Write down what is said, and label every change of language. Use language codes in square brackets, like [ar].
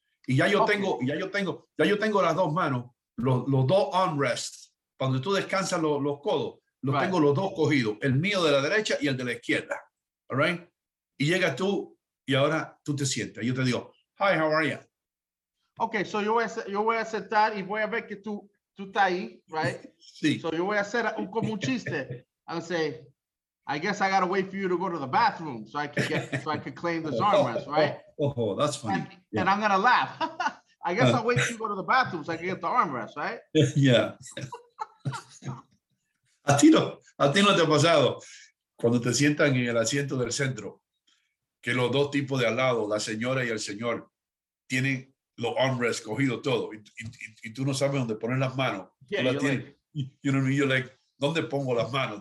[es] Y ya yo tengo las dos manos, los dos armrests, cuando tú descansas los codos, los right. Tengo los dos cogidos, el mío de la derecha y el de la izquierda. [en] All right? [es] Y llegas tú y ahora tú te sientas. Yo te digo, [en] hi, how are you? [es] Okay, so yo voy a sentar y voy a ver que tú estás ahí, right? Sí. So yo voy a hacer como un chiste. [en] I'll say, I guess I gotta wait for you to go to the bathroom so I can claim this armrest, right? Oh, that's funny. And I'm gonna laugh. I guess I'll wait for you to go to the bathroom so I can get the armrest, right? Yeah. [es] A ti no te ha pasado cuando te sientan en el asiento del centro que los dos tipos de al lado, la señora y el señor, tienen los armrests cogidos todo y tú no sabes dónde poner las manos. [en] Yeah, [es] tú la you're tienes, like, [en] you're like, [es] ¿dónde pongo las manos?